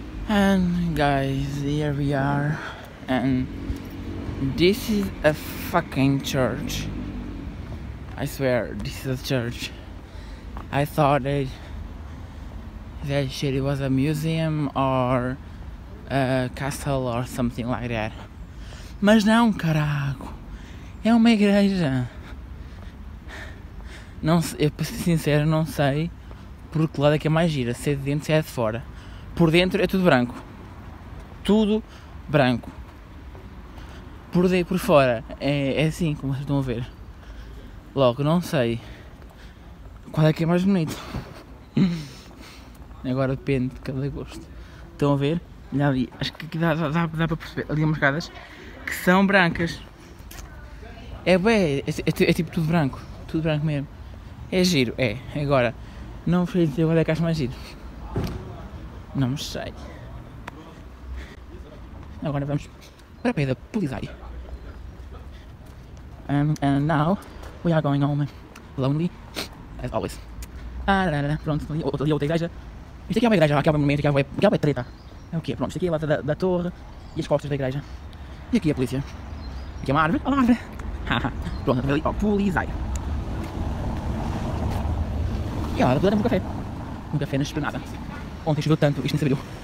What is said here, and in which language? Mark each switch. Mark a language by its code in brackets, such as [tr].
[en] And guys, here we are, and this is a fucking church. I swear, this is a church. I thought that shit it was a museum or a castle or something like that. [pt] Mas não, caraco, é uma igreja. Não, eu, para ser sincero, não sei por que lado é que é mais gira, se é de dentro, se é de fora. Por dentro é tudo branco. Tudo branco. Por fora é assim, como vocês estão a ver. Logo, não sei qual é que é mais bonito. Agora depende de cada gosto. Estão a ver? Olha ali, acho que aqui dá para perceber. Ali umas casas que são brancas. É bem, é tipo tudo branco. Tudo branco mesmo. É giro, é. Agora, não vou dizer qual é que acho mais giro. Não sei. Agora vamos para a pé da polizia. [en] And now we are going home lonely, as always. [pt] Ah, lá, lá, pronto, ali é outra igreja. Isto aqui é uma igreja, aqui é um momento, aqui é uma treta. É o quê? Pronto, isto aqui é a lata da torre e as costas da igreja. E aqui é a polícia. Aqui é uma árvore, olha uma árvore. Pronto, ali, ó, polizia. E olha, podemos um café na esplanada. Ontem choveu tanto, isto nem se abriu.